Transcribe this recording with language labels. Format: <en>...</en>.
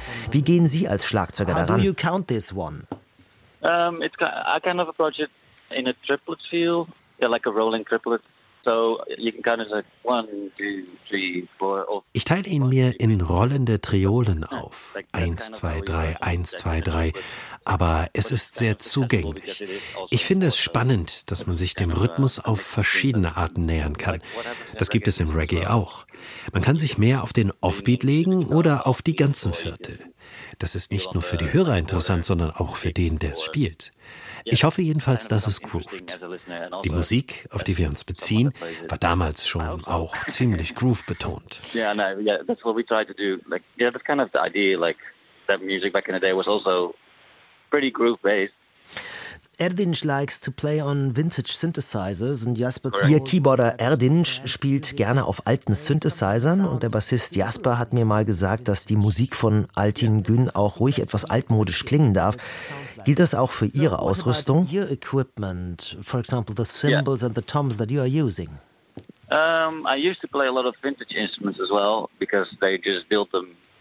<de>Wie gehen Sie als Schlagzeuger daran?</de> <en>How do you count this one? I kind of approach it in a triplet feel, yeah, like a rolling triplet. So you can kind of say 1, 2, 3, 4.</en> <de>Ich teile ihn mir in rollende Triolen auf. 1, 2, 3, 1, 2, 3. Aber es ist sehr zugänglich. Ich finde es spannend, dass man sich dem Rhythmus auf verschiedene Arten nähern kann. Das gibt es im Reggae auch. Man kann sich mehr auf den Offbeat legen oder auf die ganzen Viertel. Das ist nicht nur für die Hörer interessant, sondern auch für den, der es spielt. Ich hoffe jedenfalls, dass es groovt. Die Musik, auf die wir uns beziehen, war damals schon auch ziemlich groove-betont. Ja, das ist, was wir versuchen zu tun. Das ist</de> <en>kind of the idea, like, that music back in the day was also pretty groove-based. Erdinj likes to play on vintage synthesizers and Jasper.</en> <de>Ihr Keyboarder Erdinj spielt gerne auf alten Synthesizern und der Bassist Jasper hat mir mal gesagt, dass die Musik von Altin Gün auch ruhig etwas altmodisch klingen darf. Gilt das auch für Ihre Ausrüstung?</de> <en>So, your equipment, for example, the cymbals and the toms that you are using. I used to play a lot of vintage instruments as well because they just built them.</en>